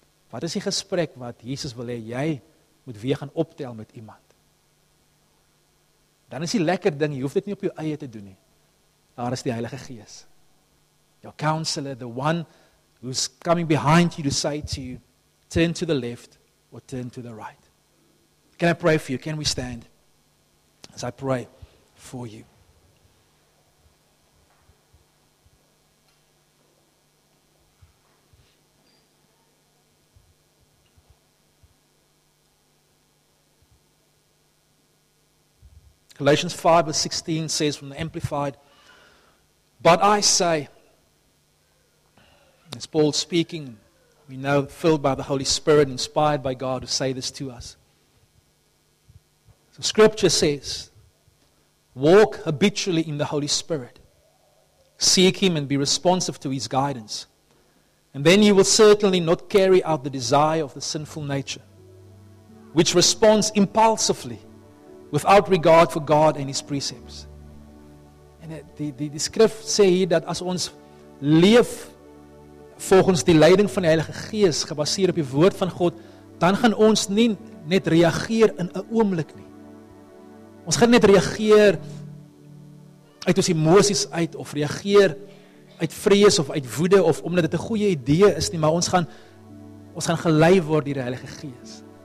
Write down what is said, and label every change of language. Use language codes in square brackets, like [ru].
[af] Wat is die gesprek wat Jesus wil hê jy moet weer gaan optel met iemand? Dan is die lekker ding, jy hoef dit nie op jou eie te doen nie. Daar is die Heilige Gees. [en] Your counselor, the one who's coming behind you to say to you, turn to the left or turn to the right. Can I pray for you? Can we stand as I pray for you? Galatians 5 verse 16 says from the Amplified, but I say, as Paul speaking, we know filled by the Holy Spirit, inspired by God to say this to us. So Scripture says, walk habitually in the Holy Spirit. Seek Him and be responsive to His guidance. And then you will certainly not carry out the desire of the sinful nature, which responds impulsively without regard for God and His precepts. [af] And the Skrif sê hier dat as ons leef volgens die leiding van die Heilige Gees, gebaseer op die woord van God, dan gaan ons nie net reageer in 'n oomblik nie. Ons gaan net reageer uit ons emosies uit, of reageer uit vrees of uit woede, of omdat dit 'n goeie idee is nie, maar ons gaan gelei word deur die Heilige Gees.